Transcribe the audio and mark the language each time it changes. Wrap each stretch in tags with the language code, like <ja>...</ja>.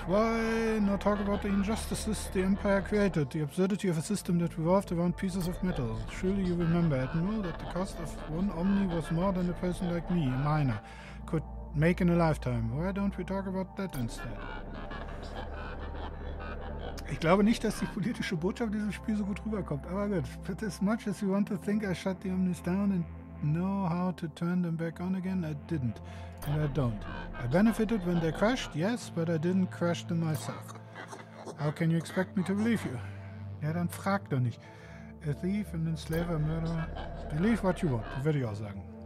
<en>Why not talk about the injustices the Empire created? The absurdity of a system that revolved around pieces of metal. Surely you remember, Admiral, that the cost of one Omni was more than a person like me, a miner, could make in a lifetime. Why don't we talk about that instead?</en> <de>Ich glaube nicht, dass die politische Botschaft in diesem Spiel so gut rüberkommt. Aber gut.</de> <en>But as much as you want to think I shut the Omnis down and know how to turn them back on again, I didn't. And I don't. I benefited when they crashed, yes, but I didn't crash them myself. How can you expect me to believe you?</en> <de>Ja, dann frag doch nicht.</de> <en>A thief, an enslaver, a murderer. Believe what you want,</en> <de>würde ich auch sagen.</de>